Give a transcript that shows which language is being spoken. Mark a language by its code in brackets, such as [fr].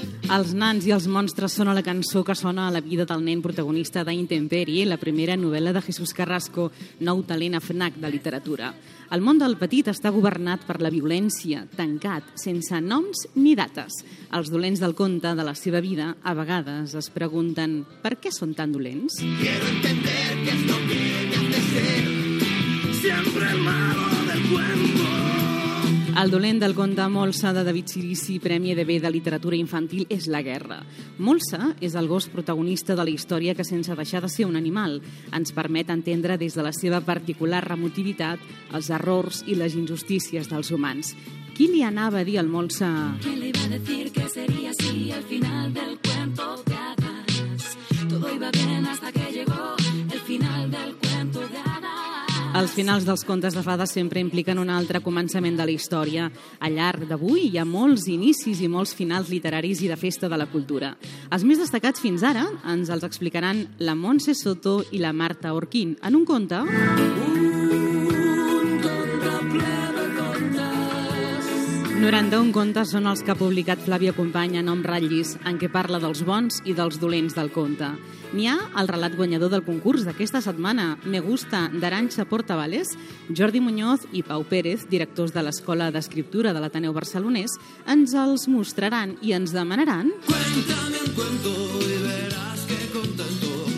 [ca] Els nans i els monstres són a la cançó que sona a la vida del nen protagonista d'Intemperi, la primera novel·la de Jesús Carrasco, nou talent a FNAC de literatura. El món del petit està governat per la violència, tancat, sense noms ni dates. Els dolents del conte de la seva vida a vegades es pregunten per què són tan dolents. [es] Quiero entender que es lo que has de ser, siempre el malo del cuento. [ca] El dolent del conte Molsa, de David Cirici, Premi EDB de Literatura Infantil, és la guerra. Molsa és el gos protagonista de la història que, sense deixar de ser un animal, ens permet entendre des de la seva particular remotivitat els errors i les injustícies dels humans. Qui li anava a dir al Molsa? [es] ¿Quién le iba a decir que sería así al final del cuento de hadas? Todo iba bien hasta que llegó el final del cuento de hadas. [ca] Els finals dels contes de fades sempre impliquen un altre començament de la història. Al llarg d'avui hi ha molts inicis i molts finals literaris i de festa de la cultura. Els més destacats fins ara ens els explicaran la Montse Soto i la Marta Orquín en un conte... Un conte ple de contes. 91 contes són els que ha publicat Flàvia Companya en Om Ratllis, en què parla dels bons i dels dolents del conte. N'hi ha el relat guanyador del concurs d'aquesta setmana, Me Gusta, d'Arantxa Portavales. Jordi Muñoz i Pau Pérez, directors de l'Escola d'Escriptura de l'Ateneu Barcelonès, ens els mostraran i ens demanaran... [es] Cuéntame un cuento y verás que contento...